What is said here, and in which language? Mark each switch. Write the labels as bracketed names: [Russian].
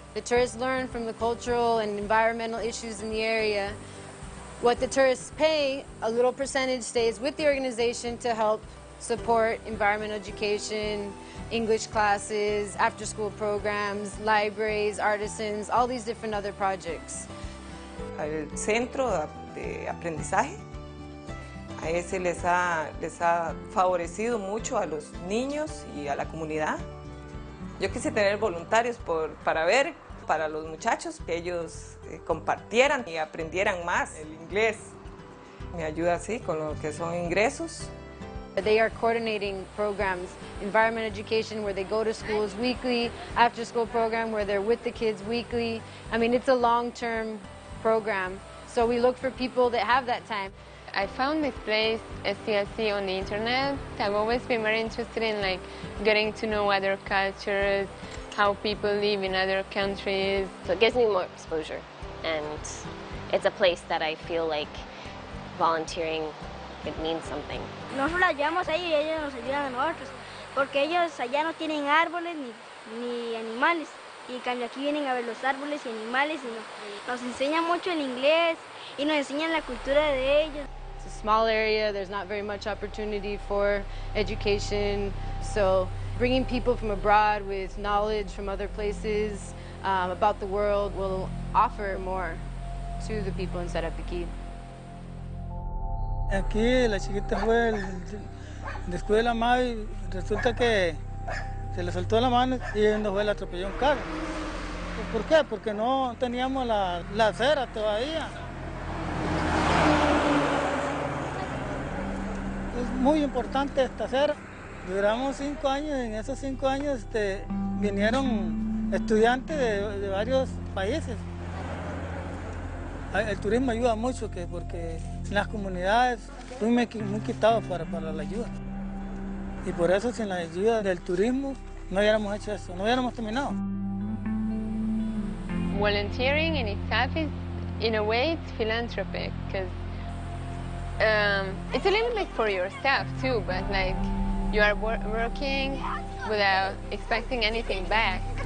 [English] The tourists learn from the cultural and environmental issues in the area. What the tourists pay, a little percentage stays with the organization to help support environmental education, English classes, after-school programs, libraries, artisans, all these different other projects. [Spanish] Al centro de aprendizaje, a ese les ha favorecido mucho a los niños y a la comunidad. Yo quise tener voluntarios para los muchachos, que ellos compartieran y aprendieran más el inglés. Me ayuda así con lo que son ingresos. [English] They are coordinating programs, environment education where they go to schools weekly, after school program where they're with the kids weekly. I mean, it's a long-term program, so we look for people that have that time. I found this place, SCSC, on the internet. I've always been very interested in like getting to know other cultures, how people live in other countries. So it gives me more exposure, and it's a place that I feel like volunteering, it means something. [Spanish] Nosotros las llevamos a ellos y ellos nos ayudan a nosotros, porque ellos allá no tienen árboles ni animales, y en cambio aquí vienen a ver los árboles y animales, y nos enseñan mucho el inglés, y nos enseñan la cultura de ellos. [English] It's a small area, there's not very much opportunity for education, so bringing people from abroad with knowledge from other places about the world will offer more to the people in Sarapiquí. [Spanish] Aquí la chiquita fue el descuido de la madre y resulta que se le soltó la mano y nos fue, le atropelló un carro. ¿Por qué? Porque no teníamos la acera todavía. Es muy importante esta acera. Duramos 5 años y en esos 5 años vinieron estudiantes de varios países. El turismo ayuda mucho porque en las comunidades son muy quitados para la ayuda. Y por eso sin la ayuda del turismo no hubiéramos hecho eso, no hubiéramos terminado. [English] Volunteering in itself is, in a way, it's philanthropic, because it's a little bit for yourself too, but like you are working without expecting anything back.